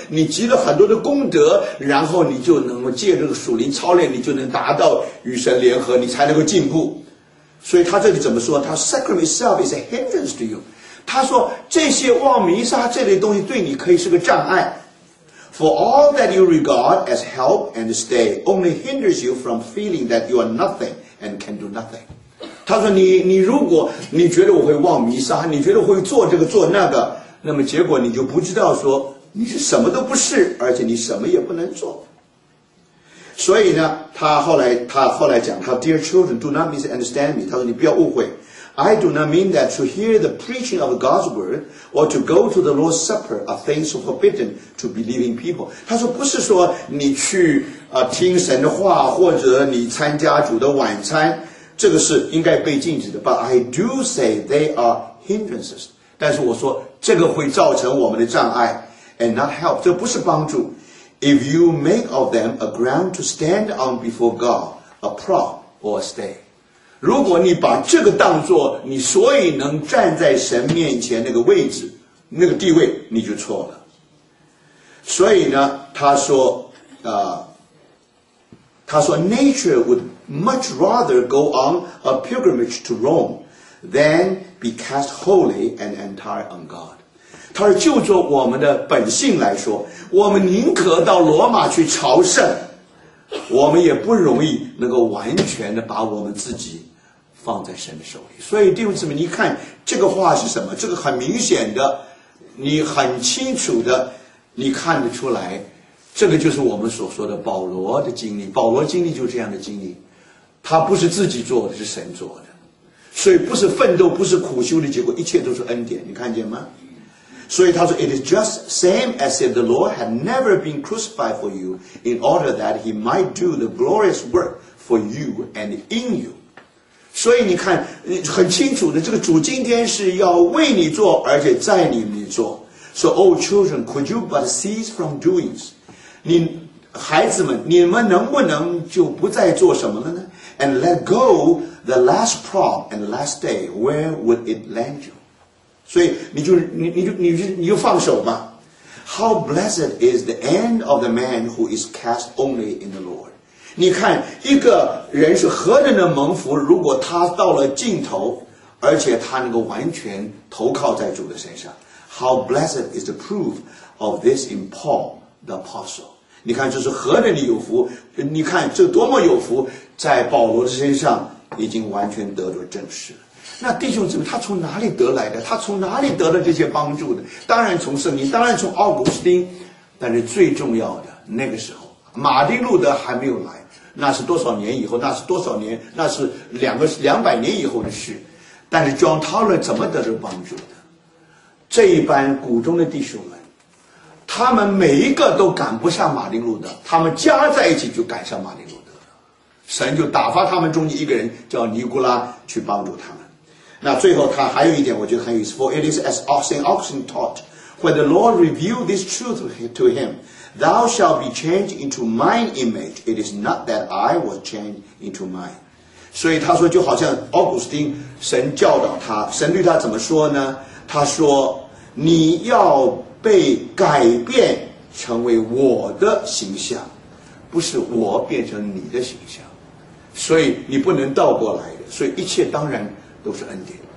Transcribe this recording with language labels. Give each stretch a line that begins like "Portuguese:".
Chinese: 你积了很多的功德，然后你就能够借这个属灵操练，你就能达到与神联合，你才能够进步。所以他这里怎么说？他
English: sacrament itself is a hindrance to you。
Chinese: 他说这些望弥撒这类东西对你可以是个障碍。
English: For all that you regard as help and stay only hinders you from feeling that you are nothing and can do nothing。
Chinese: 他说你如果你觉得我会望弥撒，你觉得我会做这个做那个，那么结果你就不知道说你是什么都不是，而且你什么也不能做。所以呢，他后来讲，他
English: Dear children, do not misunderstand me.
Chinese: 他说你不要误会。
English: I do not mean that to hear the preaching of God's word or to go to the Lord's Supper are things forbidden to believing people.
Chinese: 他说不是说你去听神的话，或者你参加主的晚餐，这个是应该被禁止的。
English: But I do say they are hindrances.
Chinese: 但是我说这个会造成我们的障碍。
English: And not help.
Chinese: 这不是帮助。
English: If you make of them a ground to stand on before God, a prop or a stay.
Chinese: 如果你把这个当作你所以能站在神面前那个位置，那个地位，你就错了。所以呢，他说
English: nature would much rather go on a pilgrimage to Rome than be cast wholly and entirely on God.
Chinese: 他说就做我们的本性来说，我们宁可到罗马去朝圣，我们也不容易能够完全的把我们自己放在神的手里。所以弟兄姊妹，你看这个话是什么？这个很明显的，你很清楚的，你看得出来，这个就是我们所说的保罗的经历。保罗经历就是这样的经历，他不是自己做的，是神做的。所以不是奋斗，不是苦修的结果，一切都是恩典，你看见吗？所以他说
English: It is just same as if the Lord had never been crucified for you in order that he might do the glorious work for you and in you.
Chinese: 所以你看很清楚的，这个主今天是要为你做，而且在你里做。
English: So oh children, could you but cease from doings?
Chinese: 你孩子们，你们能不能就不再做什么了呢？
English: And let go the last prom and the last day, where would it land you?
Chinese: 所以你就放手吧。
English: How blessed is the end of the man who is cast only in the Lord?
Chinese: 你看一个人是何等的蒙福，如果他到了尽头，而且他能够完全投靠在主的身上。
English: How blessed is the proof of this in Paul the apostle?
Chinese: 你看这是何等的有福，你看这多么有福，在保罗的身上已经完全得到证实了。那弟兄姊妹，他从哪里得来的？他从哪里得了这些帮助的？当然从圣经，当然从奥古斯丁，但是最重要的，那个时候马丁路德还没有来，那是多少年以后，那是两百年以后的事。但是 John Taylor 怎么得到帮助的？这一班谷中的弟兄们，他们每一个都赶不上马丁路德，他们加在一起就赶上马丁路德。神就打发他们中间一个人叫尼古拉去帮助他们。那最后他还有一点我觉得很有意思，
English: For it is as oxen taught, when the Lord revealed this truth to him, thou shalt be changed into mine image, it is not that I was changed into mine.
Chinese: 所以他说就好像奥古斯丁神教导他，神对他怎么说呢？他说你要被改变成为我的形象，不是我变成你的形象，所以你不能倒过来的，所以一切当然都是恩典。